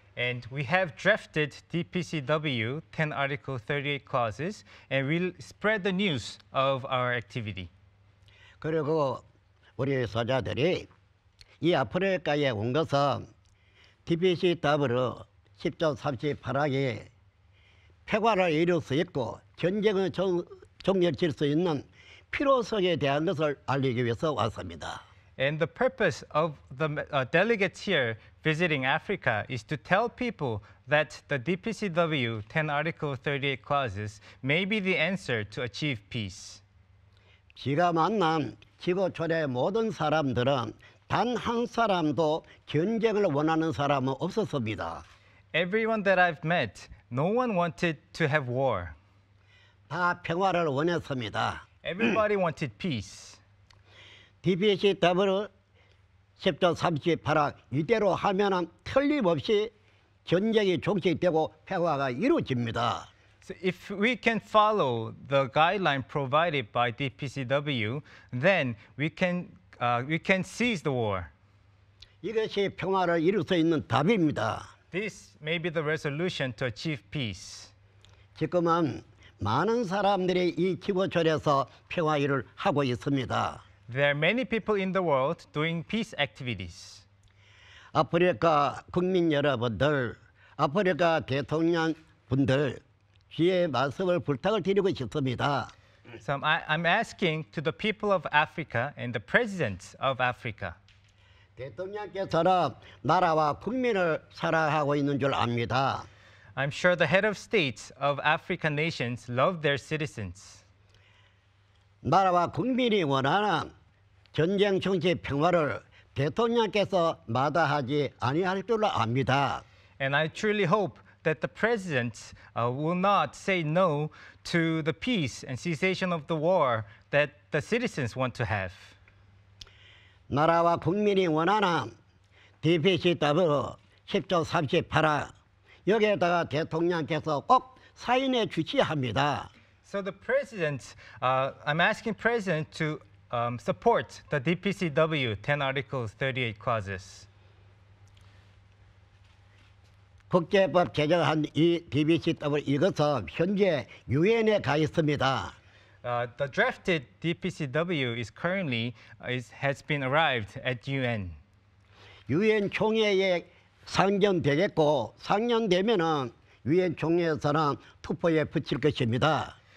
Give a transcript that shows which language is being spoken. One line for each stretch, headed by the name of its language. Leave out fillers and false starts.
English: And we have drafted DPCW 10 Article 38 clauses and we'll spread the news of our activity.
Korean: 그리고 우리 사자들이 이 아프리카에 온 것은 DPCW 10조 38항이 폐화를 이룰 수 있고 전쟁을 종결할 수 있는 필요성에 대한 것을 알리기 위해서 왔습니다.
English: And the purpose of the delegates here visiting Africa is to tell people that the DPCW 10 Article 38 clauses may be the answer to achieve peace.
Korean: 지가 만난 지구촌의 모든 사람들은 단 한 사람도 전쟁을 원하는 사람은 없었습니다.
English: Everyone that I've met, no one wanted to have war.
Korean: 다 평화를 원했습니다.
English: Everybody wanted peace.
Korean: DPCW 10조 38항 이대로 하면 틀림없이 전쟁이 종식되고 평화가 이루어집니다.
English: So if we can follow the guideline provided by DPCW, then we can seize the war.
Korean: 이것이 평화를 이룰 수 있는 답입니다.
English: This may be the resolution to achieve peace.
Korean: 지금은 많은 사람들이 이 지구촌에서 평화 일을 하고 있습니다.
English: There are many people in the world doing peace activities.
Korean: 아프리카 국민 여러분들, 아프리카 대통령 분들, 주의 말씀을 부탁을 드리고 싶습니다.
English: So I'm asking to the people of Africa and the president of Africa.
Korean: 대통령께서는 나라와 국민을 사랑하고 있는 줄 압니다.
English: I'm sure the head of states of African nations love their citizens.
Korean: 나라와 국민이 원하는 전쟁 정치 평화를 대통령께서 마다하지 아니할 줄로 압니다.
English: And I truly hope that the president will not say no to the peace and cessation of the war that the citizens want to have.
Korean: 나라와 국민이 원하는 DPCW 10조 38항 여기에다가 대통령께서 꼭 사인해 주셔야 합니다.
English: So the president, I'm asking president to support the DPCW 10 Articles 38 clauses.
Korean: 국제법 개정한 이 DPCW 이것은 현재 유엔에 가 있습니다.
English: The drafted DPCW is currently has been arrived at UN.
Korean: 유엔 총회에 상정되겠고 상정되면은 유엔 총회에서는 투표에 붙일 것입니다.